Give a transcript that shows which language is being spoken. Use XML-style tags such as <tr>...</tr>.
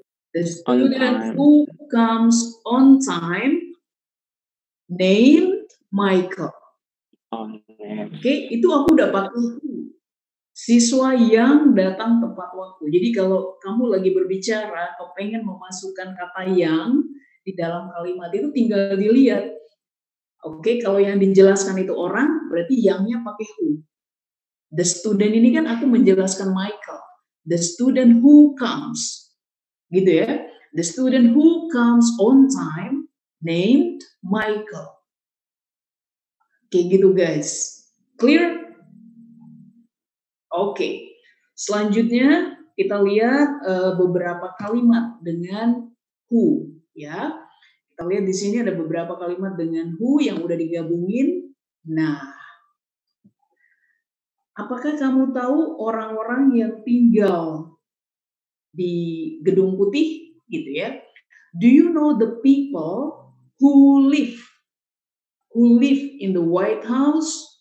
<en>The student who comes on time named Michael.</en> <id>Okay, itu aku udah pakai who. Siswa yang datang tepat waktu. Jadi kalau kamu lagi berbicara, kau pengen memasukkan kata yang di dalam kalimat itu tinggal dilihat. Okay, kalau yang dijelaskan itu orang, berarti yangnya pakai who.</id> <en>The student</en> <id>ini kan aku menjelaskan</id> <en>Michael. The student who comes.</en> <id>Gitu ya.</id> <en>The student who comes on time named Michael.</en> <id>Kayak gitu guys. Clear? Okay. Selanjutnya kita lihat beberapa kalimat dengan who. Ya. Kita lihat di sini ada beberapa kalimat dengan who yang udah digabungin. Nah. Apakah kamu tahu orang-orang yang tinggal di Gedung Putih gitu ya?</id> <en>Do you know the people who live in the White House?</en>